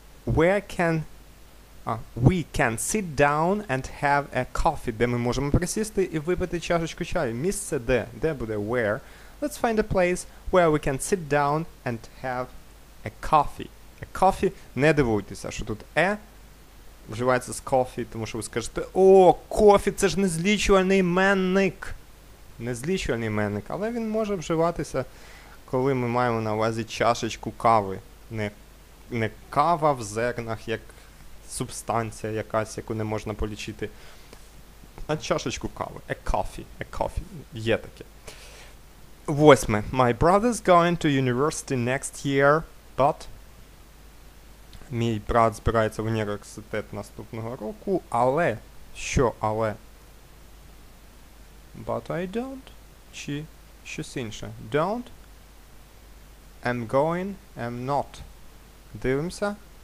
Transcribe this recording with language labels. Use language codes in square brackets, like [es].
[en] We can sit down and have a coffee. [uk] Де ми можемо присісти і випити чашечку чаю? Місце де? Де буде where? [en] Let's find a place where we can sit down and have a coffee. A coffee, [uk] не дивуйтеся, що тут a вживається з coffee, тому що ви скажете: "О, кофе, це ж незлічувальний іменник". Незлічувальний іменник, але він може вживатися, коли ми маємо на увазі чашечку кави. Не кава в зернах, як субстанція якась, яку не можна полічити, а чашечку кави. [en] A coffee. [uk] Є таке. Восьме. [en] My brother's going to university next year, but... [uk] Мій брат збирається в університет наступного року, але... Що але? [en] But I don't. [uk] Чи щось інше? [en] Don't. I'm going. I'm not. [uk] Дивимося.